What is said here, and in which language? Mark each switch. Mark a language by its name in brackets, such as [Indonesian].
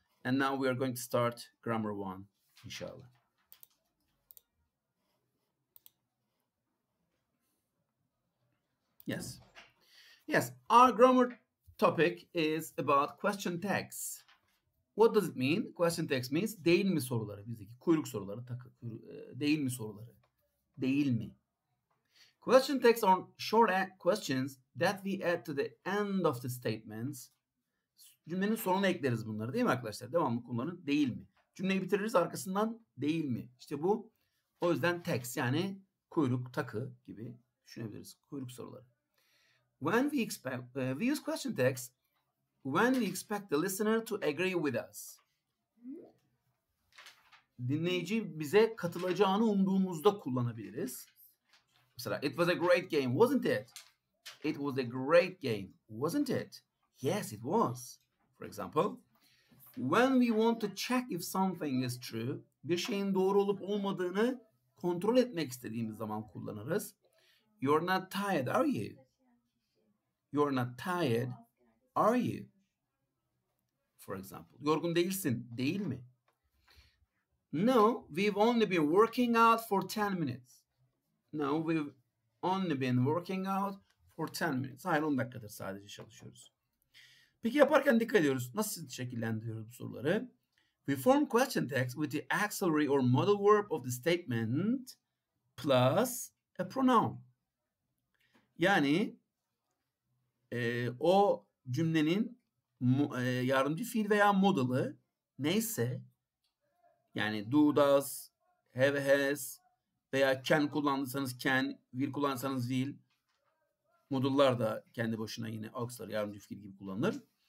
[English] And now we are going to start grammar 1, inshallah. Yes. Yes, our grammar topic is about question tags. What does it mean? Question tags means [Turkish] değil mi soruları, bizdeki kuyruk soruları, değil mi soruları, değil mi? [English] Question tags are short questions that we add to the end of the statements. [Turkish] Cümlenin sonuna ekleriz bunları, değil mi arkadaşlar? Devamlı kullanın. Değil mi? Cümleyi bitiririz arkasından. Değil mi? İşte bu. O yüzden text, yani kuyruk, takı gibi düşünebiliriz. Kuyruk soruları. [English] When we expect, we use question text when we expect the listener to agree with us. [Turkish] Dinleyici bize katılacağını umduğumuzda kullanabiliriz. [English] Mesela it was a great game, wasn't it? It was a great game, wasn't it? Yes, it was. For example, when we want to check if something is true, [Turkish] bir şeyin doğru olup olmadığını kontrol etmek istediğimiz zaman kullanırız. [English] You're not tired, are you? You're not tired, are you? For example, [Turkish] yorgun değilsin, değil mi? [English] No, we've only been working out for 10 minutes. No, we've only been working out for 10 minutes. [Turkish] Hayır, 10 dakikadır sadece çalışıyoruz. Peki yaparken dikkat ediyoruz. Nasıl şekillendiriyoruz bu soruları? [English] We form question text with the auxiliary or modal verb of the statement plus a pronoun. [Turkish] Yani o cümlenin yardımcı fiil veya modalı neyse, yani do, does, have, has veya can kullandıysanız can, will kullandıysanız will, modullar da kendi başına yine auxiliary yardımcı fiil gibi kullanılır.